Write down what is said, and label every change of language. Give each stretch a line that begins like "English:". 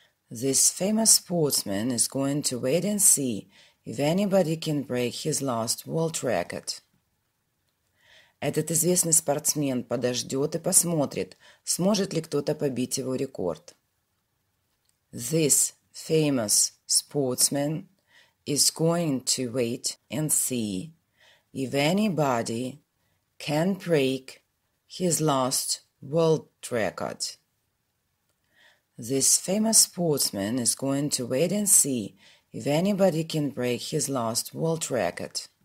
English: This famous sportsman is going to wait and see if anybody can break his last world record.
Russian: Этот известный спортсмен подождет и посмотрит, сможет ли кто-то побить его рекорд.
English: This famous sportsman is going to wait and see if anybody can break his last world record. This famous sportsman is going to wait and see if anybody can break his last world record.